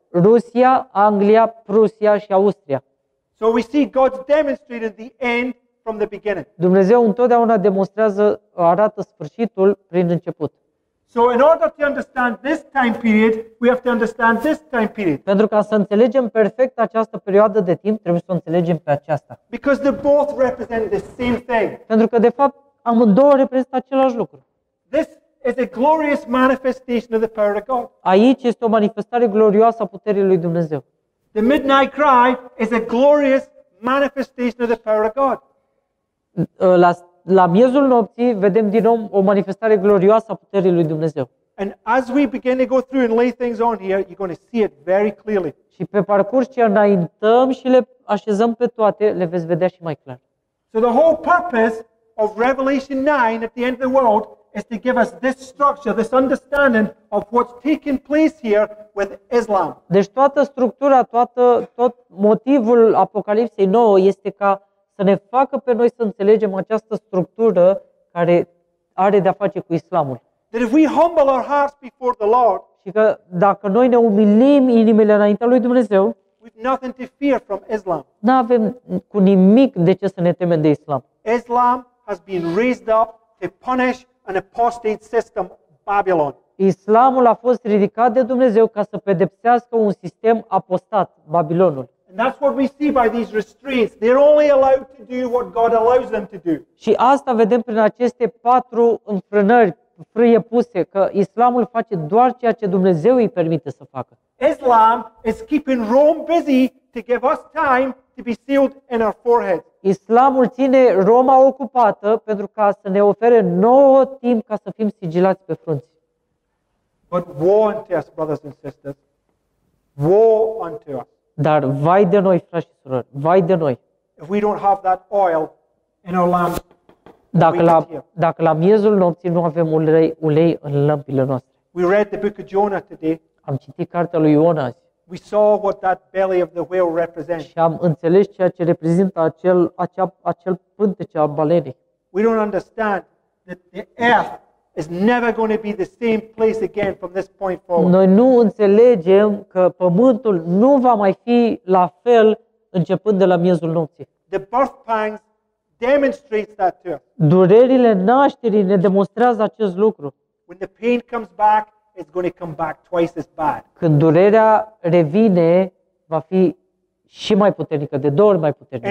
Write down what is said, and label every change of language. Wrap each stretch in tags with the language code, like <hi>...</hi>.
<ro>Rusia, Anglia, Prusia și Austria.</ro> <en>So we see God's demonstrated the end from the beginning.</en> <ro>Dumnezeu întotdeauna demonstrează, arată sfârșitul prin început.</ro> <en>So in order to understand this time period, we have to understand this time period.</en> <ro>Pentru ca să înțelegem perfect această perioadă de timp, trebuie să o înțelegem pe aceasta.</ro> <en>Because they both represent the same thing.</en> <ro>Pentru că de fapt amândouă reprezintă același lucru.</ro> <en>This is a glorious manifestation of the power of God.</en> <ro>Aici este o manifestare glorioasă a puterii lui Dumnezeu.</ro> <en>The midnight cry is a glorious manifestation of the power of God.</en> <ro>La miezul nopții vedem din nou o manifestare glorioasă a puterii lui Dumnezeu.</ro> <en>And as we begin to go through and lay things on here, you're going to see it very clearly.</en> <ro>Și pe parcurs ce înaintăm și le așezăm pe toate, le veți vedea și mai clar.</ro> <en>So the whole purpose of Revelation 9 at the end of the world is to give us this structure, this understanding of what's taking place here with Islam.</en> <ro>Deci toată structura, tot motivul Apocalipsei 9 este ca să ne facă pe noi să înțelegem această structură care are de-a face cu Islamul.</ro> <en>That if we humble our hearts before the Lord,</en> <ro>și că dacă noi ne umilim inimile înaintea lui Dumnezeu,</ro> <en>we've nothing to fear from Islam.</en> <ro>Nu avem cu nimic de ce să ne temem de Islam.</ro> <en>Islam has been raised up to punish an apostate system, Babylon.</en> <ro>Islamul a fost ridicat de Dumnezeu ca să pedepsească un sistem apostat, Babilonul.</ro> <en>And that's what we see by these restraints. They're only allowed to do what God allows them to do.</en> <ro>Și asta vedem prin aceste patru înfrânări, frâie puse, că Islamul face doar ceea ce Dumnezeu îi permite să facă.</ro> <en>Islam is keeping Rome busy to give us time to be sealed in our foreheads.</en> <ro>Islamul ține Roma ocupată pentru ca să ne ofere nouă timp ca să fim sigilați pe frunți.</ro> <en>But woe unto us, brothers and sisters. Woe unto us.</en> <ro>Dar vai de noi, frați și surori, vai de noi.</ro> <en>If we don't have that oil in our lamps,</en> <ro>dacă la miezul nopții nu avem ulei în lămpile noastre.</ro> <en>We read the book of Jonah today.</en> <ro>Am citit cartea lui Iona azi.</ro> <en>We saw what that belly of the whale represents.</en> <ro>Și am înțeles ceea ce reprezintă acel pântece al balenei.</ro> <en>We don't understand that the earth is never going to be the same place again from this point forward.</en> <ro>Noi nu înțelegem că pământul nu va mai fi la fel începând de la miezul nopții.</ro> <en>The birth pangs demonstrates that too.</en> <ro>Durerile nașterii ne demonstrează acest lucru.</ro> <en>When the pain comes back, it's going to come back twice as bad.</en> <ro>Când durerea revine, va fi și mai puternică, de două ori mai puternică.</ro>